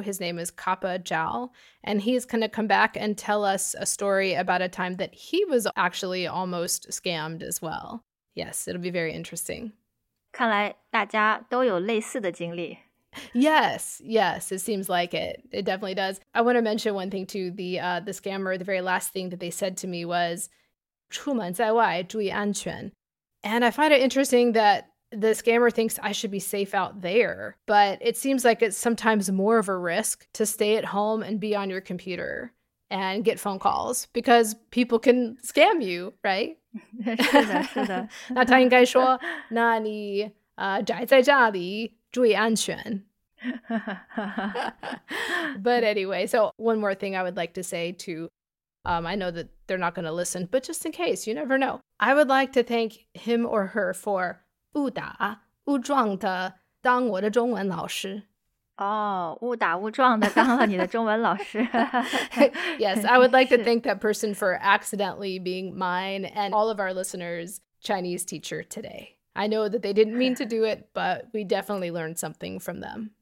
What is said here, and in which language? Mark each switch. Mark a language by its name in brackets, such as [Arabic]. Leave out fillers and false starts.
[English] His name is Kappa Jal, and he's going to come back and tell us a story about a time that he was actually almost scammed as well. Yes, it'll be very interesting. [Chinese] 看来大家都有类似的经历。 [English] Yes, yes, it seems like it. It definitely does. I want to mention one thing too. The scammer, the very last thing that they said to me was, [Chinese] 出门在外注意安全. [English] And I find it interesting that the scammer thinks I should be safe out there, but it seems like it's sometimes more of a risk to stay at home and be on your computer and get phone calls because people can scam you, right? [Chinese] 是的，是的。那他应该说，那你宅在家里。注意安全。 [English] But anyway, so one more thing I would like to say to, I know that they're not going to listen, but just in case, you never know. I would like to thank him or her for [Chinese] 误打误撞的当我的中文老师。误打误撞的当了你的中文老师。 [English] Yes, I would like to thank that person for accidentally being mine and all of our listeners' Chinese teacher today. I know that they didn't mean to do it, but we definitely learned something from them.